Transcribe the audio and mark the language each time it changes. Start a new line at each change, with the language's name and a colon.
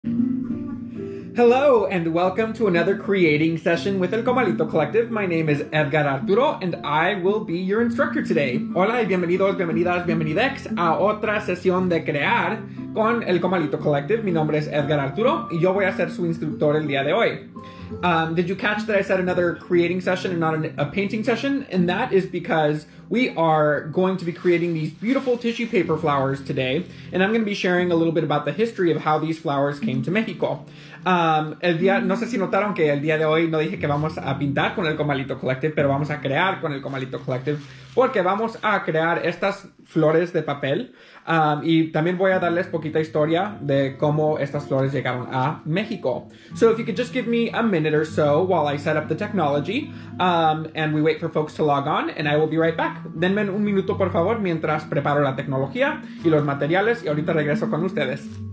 English: Hello, and welcome to another creating session with El Comalito Collective. My name is Edgar Arturo, and I will be your instructor today.
Spanish: Hola y bienvenidos, bienvenidas, bienvenidex a otra sesión de crear con El Comalito Collective. Mi nombre es Edgar Arturo, y yo voy a ser su instructor el día de hoy.
English: Did you catch that I said another creating session and not a painting session? And that is because we are going to be creating these beautiful tissue paper flowers today. And I'm going to be sharing a little bit about the history of how these flowers came to Mexico.
Spanish: No sé si notaron que el día de hoy no dije que vamos a pintar con el Comalito Collective, pero vamos a crear con el Comalito Collective, porque vamos a crear estas flores de papel. Y también voy a darles poquita historia de cómo estas flores llegaron a México.
English: So if you could just give me a minute or so while I set up the technology, and we wait for folks to log on, and I will be right back.
Spanish: Denme un minuto, por favor, mientras preparo la tecnología y los materiales, y ahorita regreso con ustedes.